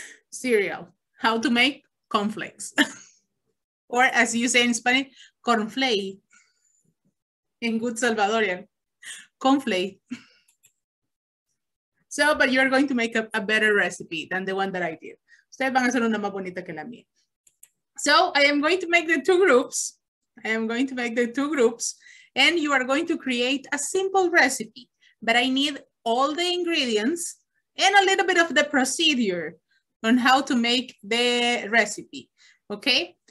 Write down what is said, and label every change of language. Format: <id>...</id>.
<en>Cereal, how to make cornflakes. Or as you say in Spanish, cornflay. In good Salvadorian, cornflay. So, but you're going to make a better recipe than the one that I did.</en> <es>Ustedes van a hacer una más bonita que la mía.</es> <en>So I am going to make the two groups. I am going to make the two groups and you are going to create a simple recipe, but I need all the ingredients and a little bit of the procedure on how to make the recipe, okay?</en>